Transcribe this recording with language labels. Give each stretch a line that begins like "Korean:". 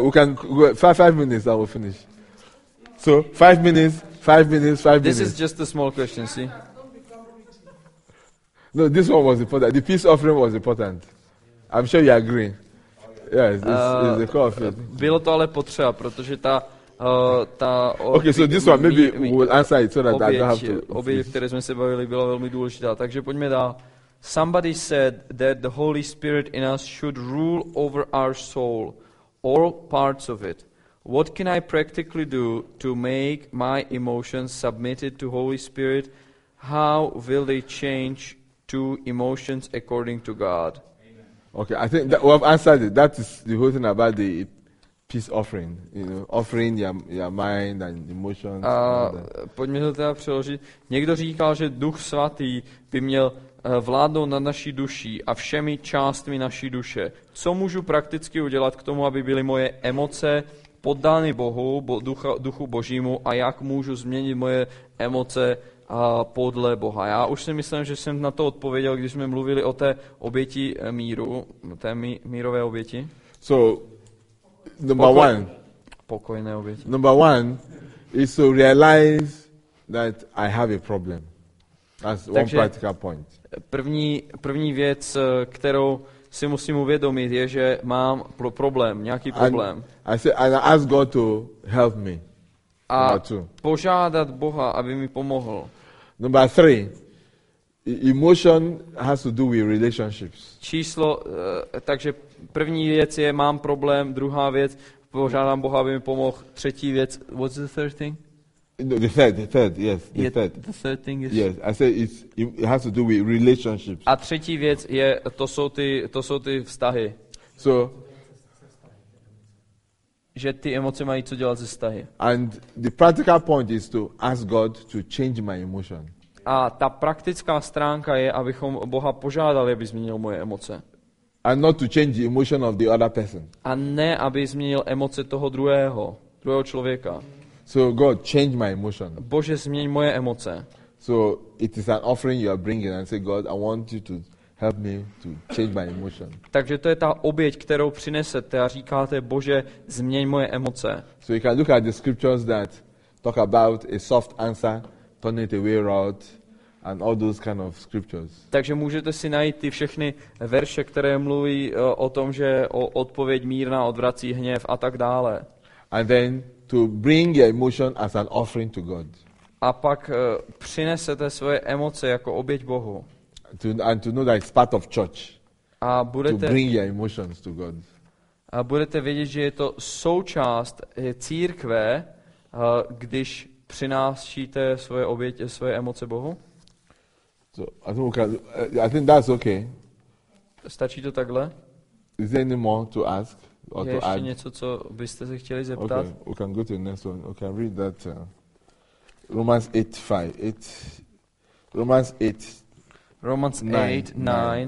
English: We can go 5 minutes and we'll finish. So 5 minutes, 5 minutes, 5 minutes. This is just a small question, see? No, this one was important. The peace offering was important. I'm sure you agree. Yes, it's the core of it.
Czech: Bylo to ale potřeba, protože ta
English: okay, so this one maybe we will answer it so that
Czech: oběť,
English: I don't have to.
Czech: Oběť, které jsme se bavili, byla velmi důležitá. Takže pojďme dál.
English: Somebody said that the Holy Spirit in us should rule over our soul, all parts of it. What can I practically do to make my emotions submitted to Holy Spirit? How will they change to emotions according to God? Okay, I think that we have answered it. That is the whole thing about the peace offering. You know, offering your mind and emotions.
Czech: A pojďme to teda přeložit. Někdo říkal, že Duch Svatý by měl vládnout nad naší duší a všemi částmi naší duše. Co můžu prakticky udělat k tomu, aby byly moje emoce poddány Bohu, Duchu Božímu, a jak můžu změnit moje emoce podle Boha? Já už si myslím, že jsem na to odpověděl, když jsme mluvili o té oběti míru, té mírové oběti.
English: So, number one.
Czech: Pokojné oběti.
English: Number one is to realize that I have a problem. That's one
Czech: Takže
English: practical point.
Czech: První věc, kterou si musím uvědomit, je, že mám problém, nějaký problém.
English: And I ask God to help me.
Czech: A požádat Boha, aby mi pomohl.
English: Number three, emotion has to do with relationships.
Czech: Číslo, takže první věc je, mám problém, druhá věc, požádám Boha, aby mi pomohl, třetí věc,
English: what's the third thing? No, the third, yes, the third. The third thing is. Yes, I say it has to do with relationships.
Czech: A třetí věc je, to jsou ty vztahy.
English: So,
Czech: že ty emoce mají co dělat se vztahy.
English: And the practical point is to ask God to change my emotion.
Czech: A ta praktická stránka je, abychom Boha požádali, aby změnil moje emoce.
English: And not to change the emotion of the other person.
Czech: A ne, aby změnil emoce toho druhého člověka.
English: So God, change my emotion.
Czech: Bože, změň moje emoce.
English: So it is an offering you are bringing and say, God, I want you to help me to change my emotion.
Czech: Takže to je ta oběť, kterou přinesete a říkáte, Bože, změň moje emoce.
English: So you can look at the scriptures that talk about a soft answer, turn it away wrath, and all those kind of scriptures.
Czech: Takže můžete si najít ty všechny verše, které mluví o tom, že odpověď mírná odvrací hněv a tak dále.
English: And then to bring your emotion as an offering to God.
Czech: A pak přinesete svoje emoce jako oběť Bohu.
English: And to know that it's part of church.
Czech: A budete
English: to bring your emotions to God.
Czech: A budete vědět, že je to součást církve, když přinášíte svoje oběti, svoje emoce Bohu.
English: So I think that's okay.
Czech: Stačí to takhle?
English: Is there any more to ask?
Czech: Je ještě
English: add
Czech: něco, co byste se chtěli zeptat?
English: Okay, we can go to the next one. We can read that Romans 8:9.